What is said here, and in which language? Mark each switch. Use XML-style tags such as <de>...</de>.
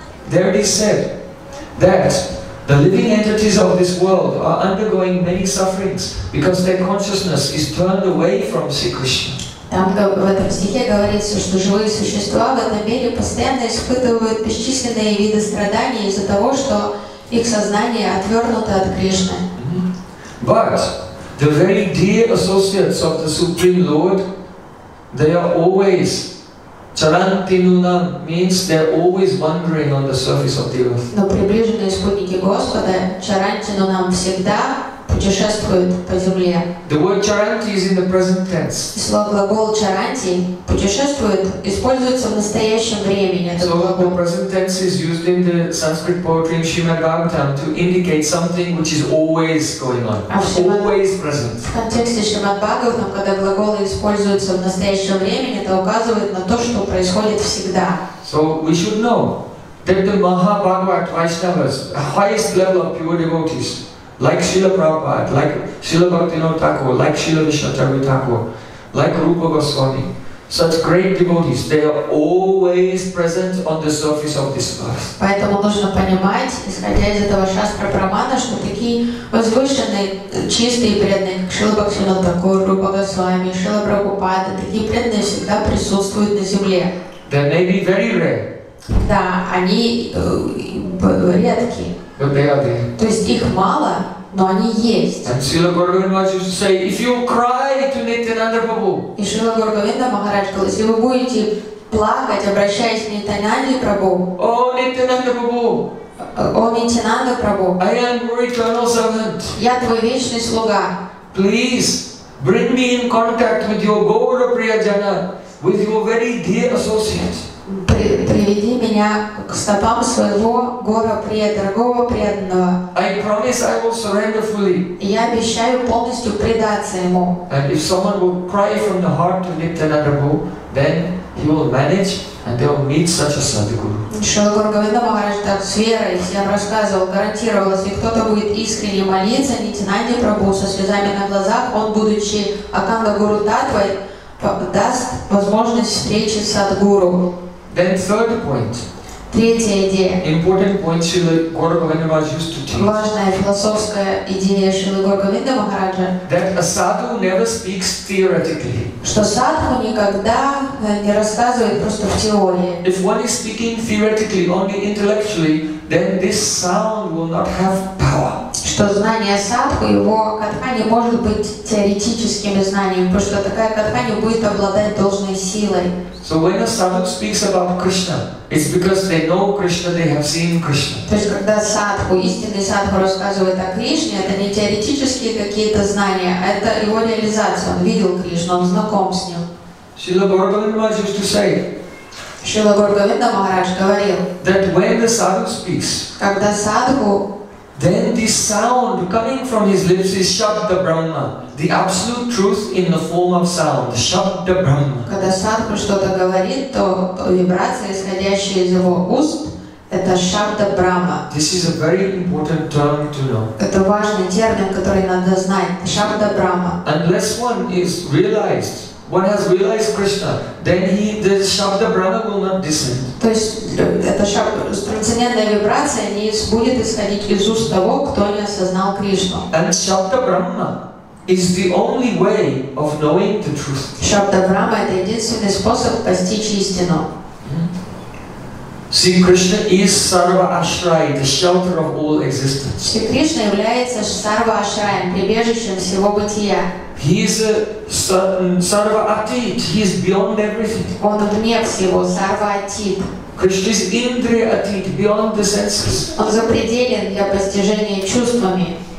<en>There it is said that the living entities of this world are undergoing many sufferings because their consciousness is turned away from Sri Krishna.</en> <ru>Там в этом стихе говорится, что живые существа в этом мире постоянно испытывают бесчисленные виды страданий из-за того, что их сознание отвернуто от Кришны.</ru> <en>But the very dear associates of the Supreme Lord, they are always</en> <sa>charanti nunam,</sa> <en>means they are always wandering on the surface of the earth.</en> <ru>Но приближенные спутники Господа</ru> <sa>charanti nunam</sa> <ru>всегда путешествует по земле.</ru> <en>The word charanti is in the present tense.</en> <ru>И слово глагол charanti путешествует используется в настоящем времени.</ru> <en>So the present tense is used in the Sanskrit poetry in Srimad Bhagavatam to indicate something which is always going on, always present.</en> <ru>В контексте Шримад Бхагаватам, когда глаголы используются в настоящем времени, это указывает на то, что происходит всегда.</ru> <en>So we should know that the Mahabhagavat Vaishnavas, the highest level of pure devotees, like Srila Prabhupada, like Srila Bhaktivinoda Thakur, like Srila Vishnu Thakur, like Rupa Goswami, such great devotees, they are always present on the surface of this earth.</en> <ru>Поэтому нужно понимать, исходя из этого шастра прамана, что такие возвышенные, чистые преданные, как Шрила Бхактивинода Такур, Рупа Госвами, Шрила Прабхупада, такие преданные всегда присутствуют на земле.</ru> <en>They may be very rare.</en> <ru>Да, они редки.</ru> <en>But they are there.</en> <ru>То есть их мало, но они есть.</ru> <en>And Srila Gauravinda Maharaj used to say, if you cry to Nityananda Prabhu.</en> <ru>И Шрила Гауравинда Махарадж сказал, если вы будете плакать, обращаясь к Нитянанде Прабху. О, Нитянанда Прабху. О, Нитянанда Прабху.</ru> <en>I am your eternal servant.</en> <ru>Я твой вечный слуга.</ru> <en>Please, Bring me in contact with your Gaura Prayojana, with your very dear associates.</en> <ru>Приведи меня к стопам своего Гора Прия, дорогого преданного.</ru> <en>I promise I will surrender fully.</en> <ru>Я обещаю полностью предаться ему.</ru> <en>And if someone will cry from the heart to Nityananda Prabhu, then he will manage and they will meet such a sadhguru.</en> <ru>Шрила Гора Говинда Махарадж так с верой, я вам рассказывал, гарантировал, если кто-то будет искренне молиться Нитянанде Прабху со слезами на глазах, он, будучи Аканга Гуру Татвой, даст возможность встречи с садхгуру.</ru> <en>Then third point.</en> <ru>Третья идея.</ru> <en>Important point Srila Gaura Govinda Maharaj used to teach.</en> <ru>Важная философская идея Шрилы Гаура Говинда Махараджа.</ru> <en>That a sadhu never speaks theoretically.</en> <ru>Что садху никогда не рассказывает просто в теории.</ru> <en>If one is speaking theoretically, only intellectually, then this sound will not have power.</en> <ru>Что знание садху, его катха не может быть теоретическим знанием, потому что такая катха не будет обладать должной силой.</ru> <en>So when a sadhu speaks about Krishna, it's because they know Krishna, they have seen Krishna.</en> <ru>То есть когда садху, истинный садху рассказывает о Кришне, это не теоретические какие-то знания, это его реализация, он видел Кришну, он знаком с ним.</ru> <en>Srila Gaura Govinda Maharaj used to say,</en> <ru>Srila Gaura Govinda Maharaj говорил,</ru> <en>that when the sadhu speaks,</en> <ru>когда садху,</ru> <en>then the sound coming from his lips is Shabda Brahma, the absolute truth in the form of sound, Shabda Brahma.</en> <ru>Когда садху что-то говорит, то вибрация, исходящая из его уст, это Шабда Брахма.</ru> <en>This is a very important term to know.</en> <ru>Это важный термин, который надо знать, Шабда Брахма.</ru> <en>Unless one is realized, one has realized Krishna, then the Shabda Brahma will not descend.</en> <ru>То есть эта трансцендентная вибрация не будет исходить из уст того, кто не осознал Кришну.</ru> <en>And Shabda Brahma is the only way of knowing the truth.</en> <ru>Shabda Brahma – это единственный способ постичь истину.</ru> <en>See, Krishna is Sarva Ashray, the shelter of all existence.</en> <ru>Шри Кришна является Сарва Ашрая, прибежищем всего бытия.</ru> <en>He is a Sarva Atit, he is beyond everything.</en> <ru>Он вне всего, Сарва Атит.</ru> <en>Krishna is Indriya Atit, beyond the senses.</en> <ru>Он запределен для постижения чувствами.</ru>